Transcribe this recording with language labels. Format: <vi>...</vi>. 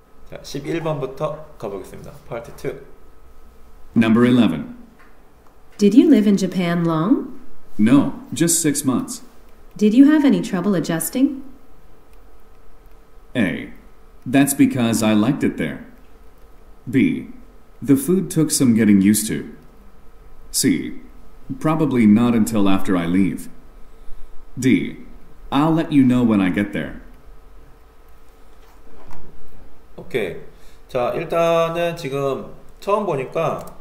<ko>자, 11번부터 가보겠습니다. 파트 2.</ko> <en>Number 11. Did you live in Japan long? No, just 6 months. Did you have any trouble adjusting? A. That's because I liked it there. B. The food took some getting used to. C. Probably not until after I leave. D. I'll let you know when I get there.</en> <ko>오케이. 자, 일단은 지금 처음 보니까</ko>